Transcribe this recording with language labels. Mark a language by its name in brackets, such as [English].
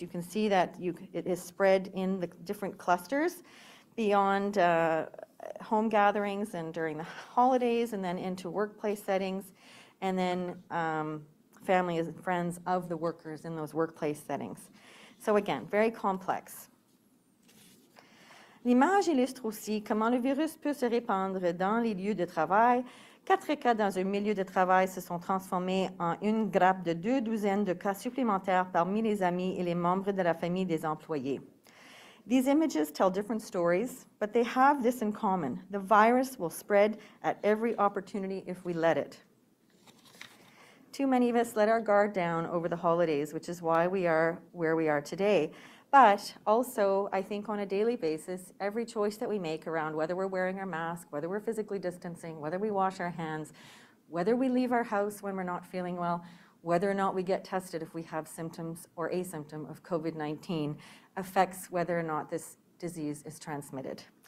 [English] You can see that it is spread in the different clusters beyond home gatherings and during the holidays and then into workplace settings and then families and friends of the workers in those workplace settings. So again, very complex. [French] L'image illustre aussi comment le virus peut se répandre dans les lieux de travail. 4 cas dans un milieu de travail se sont transformés en une grappe de 2 douzaines de cas supplémentaires parmi les amis et les membres de la famille des employés. [English] These images tell different stories, but they have this in common. The virus will spread at every opportunity if we let it. Too many of us let our guard down over the holidays, which is why we are where we are today. But also, I think on a daily basis, every choice that we make around whether we're wearing our mask, whether we're physically distancing, whether we wash our hands, whether we leave our house when we're not feeling well, whether or not we get tested if we have symptoms or a symptom of COVID-19 affects whether or not this disease is transmitted.